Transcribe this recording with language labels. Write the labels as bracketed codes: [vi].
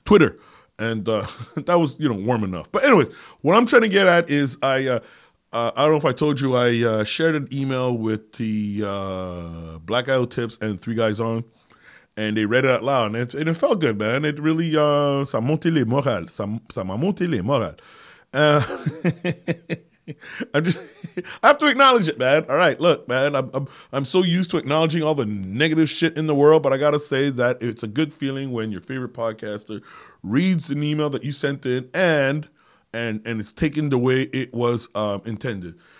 [en] Twitter, and that was warm enough. But anyways, what I'm trying to get at is I don't know if I told you, I shared an email with the Black Isle Tips and Three Guys On, and they read it out loud, and it felt good, man. It really, [fr] ça monte les morale, ça m'a monte les morale. [en] I have to acknowledge it, man. All right, look, man, I'm so used to acknowledging all the negative shit in the world, but I gotta say that it's a good feeling when your favorite podcaster reads an email that you sent in and it's taken the way it was intended.